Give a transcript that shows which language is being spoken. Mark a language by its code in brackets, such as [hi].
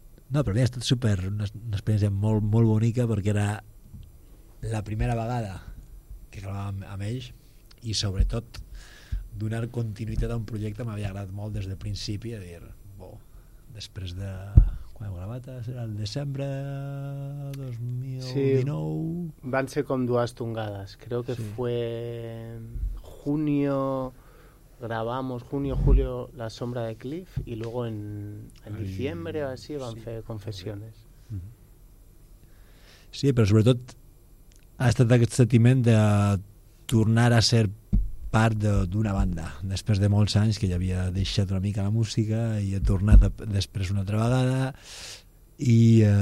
[ca] No, però bé, ha estat super, una experiència molt, molt bonica, perquè era la primera vegada que gravàvem amb ells i sobretot donar continuïtat a un projecte m'havia agradat molt des del principi, a dir, bo, després de... Quan heu gravat? Era el desembre 2019? Sí, van ser com dues tongades. [es] Creo que sí. Fue junio... Grabamos junio, julio La sombra de Cliff y luego en diciembre o así [ca] van fer [es] Confessiones. [ca] Sí, però sobretot ha estat aquest sentiment de tornar a ser part d'una banda. Després de molts anys que ja havia deixat una mica la música i he tornat després una altra vegada i